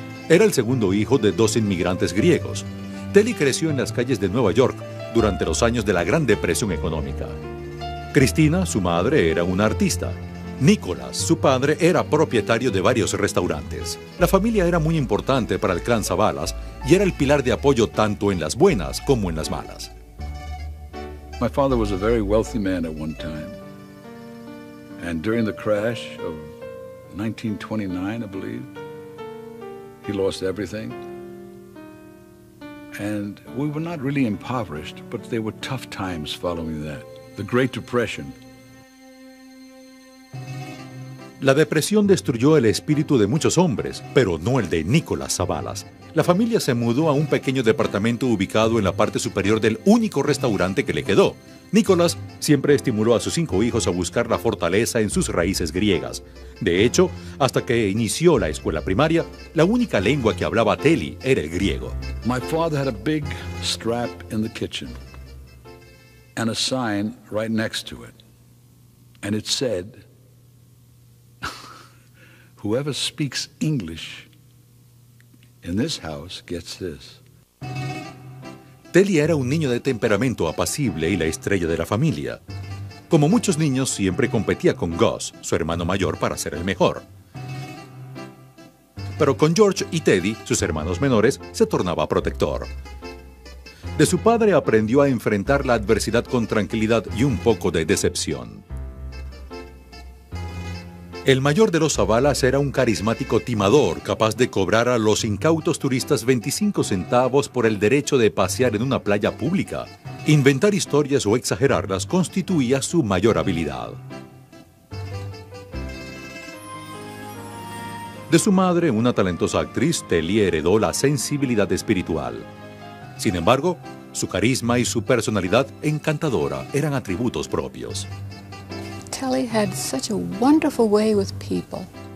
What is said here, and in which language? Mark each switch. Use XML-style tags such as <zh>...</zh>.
<es>Era el segundo hijo de dos inmigrantes griegos. Telly creció en las calles de Nueva York durante los años de la Gran Depresión Económica. Cristina, su madre, era una artista. Nicolás, su padre, era propietario de varios restaurantes. La familia era muy importante para el clan Savalas y era el pilar de apoyo tanto en las buenas como en las malas.</es> <en>My father was a very wealthy man at one time. And during the crash of 1929, I believe, he lost everything. And we were not really impoverished, but there were tough times following that. The Great Depression.</en> <es>La depresión destruyó el espíritu de muchos hombres, pero no el de Nicolás Savalas. La familia se mudó a un pequeño departamento ubicado en la parte superior del único restaurante que le quedó. Nicolás siempre estimuló a sus 5 hijos a buscar la fortaleza en sus raíces griegas. De hecho, hasta que inició la escuela primaria, la única lengua que hablaba Telly era el griego.</es> <en>My father had a big strap in the kitchen. And a sign right next to it. And it said, whoever speaks English in this house gets this.</en> <es>Telly era un niño de temperamento apacible y la estrella de la familia. Como muchos niños, siempre competía con Gus, su hermano mayor, para ser el mejor. Pero con George y Teddy, sus hermanos menores, se tornaba protector. De su padre aprendió a enfrentar la adversidad con tranquilidad y un poco de decepción. El mayor de los Savalas era un carismático timador, capaz de cobrar a los incautos turistas 25 centavos por el derecho de pasear en una playa pública. Inventar historias o exagerarlas constituía su mayor habilidad. De su madre, una talentosa actriz, Telly heredó la sensibilidad espiritual. Sin embargo, su carisma y su personalidad encantadora eran atributos propios.</es> <en>Kelly had such a wonderful way with people.</en>